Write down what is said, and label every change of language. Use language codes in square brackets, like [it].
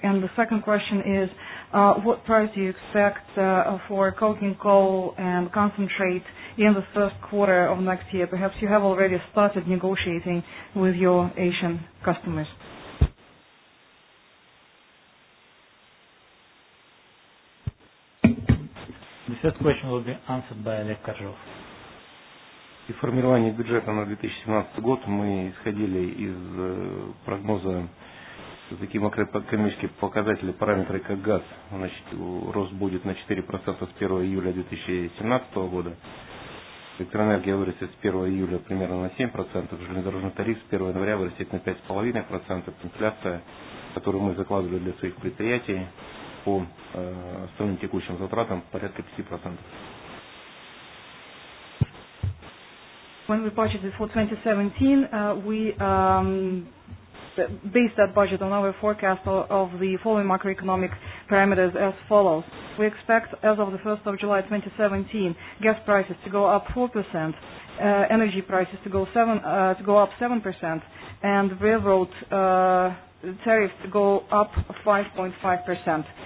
[en] And the second question is, what price do you expect for coking coal and concentrate in the first quarter of next year? Perhaps you have already started negotiating with your Asian customers. The first question will be answered by Oleg Koržov. [ru] При формировании бюджета на 2017 год мы исходили из прогноза такие макроэкономические показатели, параметры, как газ, значит, рост будет на 4% с 1 июля 2017 года. Электроэнергия вырастет с 1 июля примерно на 7%, железнодорожный тариф с 1 января вырастет на 5,5%, инфляция, которую мы закладывали для своих предприятий по основным текущим затратам, порядка 5%. [en] When we budgeted for 2017, we based that budget on our forecast of the following macroeconomic parameters as follows. We expect, as of the 1st of July 2017, gas prices to go up 4%, energy prices to go up 7%, and railroad tariffs to go up 5.5%.